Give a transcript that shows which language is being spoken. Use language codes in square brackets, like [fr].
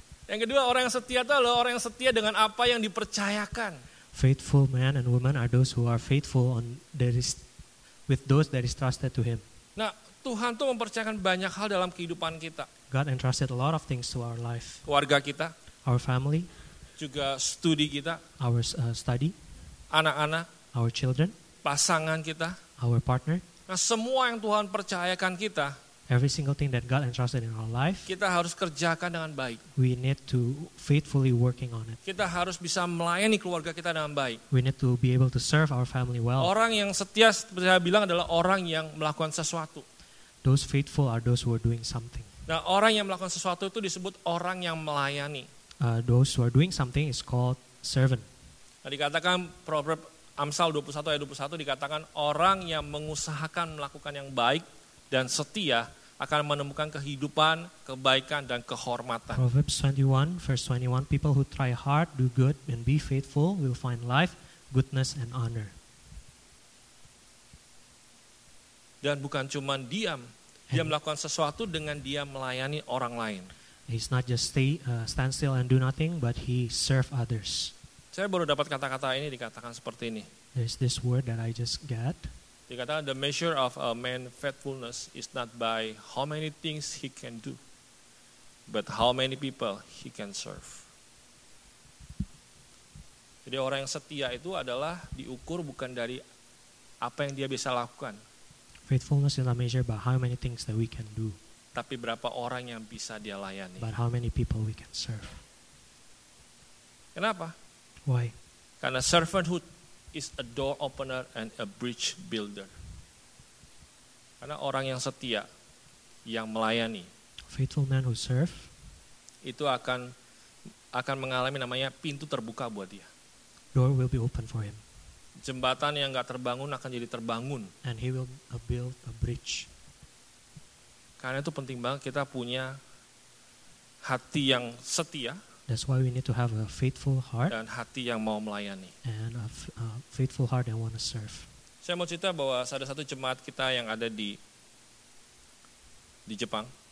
[id] Yang kedua, orang yang setia itu adalah orang yang setia dengan apa yang dipercayakan. [en] Faithful men and women are those who are faithful on that is with those that is trusted to him. [id] Nah, Tuhan tuh mempercayakan banyak hal dalam kehidupan kita. [en] God entrusted a lot of things to our life. [id] Keluarga kita, [en] our family, [id] juga studi kita, [en] our study, [id] anak-anak, [en] our children, [id] pasangan kita, [en] our partner. [id] Nah, semua yang Tuhan percayakan kita, [en] every single thing that God entrusted in our life, [id] kita harus kerjakan dengan baik. [en] We need to faithfully working on it. [id] Kita harus bisa melayani keluarga kita dengan baik. [en] We need to be able to serve our family well. [id] Orang yang setia seperti saya bilang adalah orang yang melakukan sesuatu. [en] Those faithful are those who are doing something. [id] Nah, orang yang melakukan sesuatu itu disebut orang yang melayani. [en] Those who are doing something is called servant. [id] Nah, dikatakan Proverb Amsal 21 ayat 21 dikatakan orang yang mengusahakan melakukan yang baik dan setia akan menemukan kehidupan, kebaikan, dan kehormatan. [en] Proverbs 21, verse 21, people who try hard, do good, and be faithful will find life, goodness, and honor. [id] dan bukan cuma diam, dia and melakukan sesuatu dengan dia melayani orang lain. [en] He's not just stand still and do nothing, but he serve others. [id] Saya baru dapat kata-kata ini dikatakan seperti ini. [en] There's this word that I just got. [id] Dikatakan [en] the measure of a man's faithfulness is not by how many things he can do, but how many people he can serve. [id] Jadi orang yang setia itu adalah diukur bukan dari apa yang dia bisa lakukan. [en] Faithfulness is not measured by how many things that we can do. [id] Tapi berapa orang yang bisa dia layani. [en] But how many people we can serve. [id] Kenapa? [en] Why? [id] Karena [en] servanthood is a door opener and a bridge builder. [id] Karena orang yang setia, yang melayani. [en] Faithful man who serve. [id] Itu akan mengalami namanya pintu terbuka buat dia. [en] Door will be open for him. [id] Jembatan yang enggak terbangun akan jadi terbangun. [en] And he will build a bridge. [id] Karena itu penting banget kita punya hati yang setia. [en] That's why we need to have a faithful heart. [id] Dan hati yang mau melayani. [en] And a faithful heart that want to serve. [id] Saya mau cerita bahwa ada satu jemaat kita yang ada di Jepang.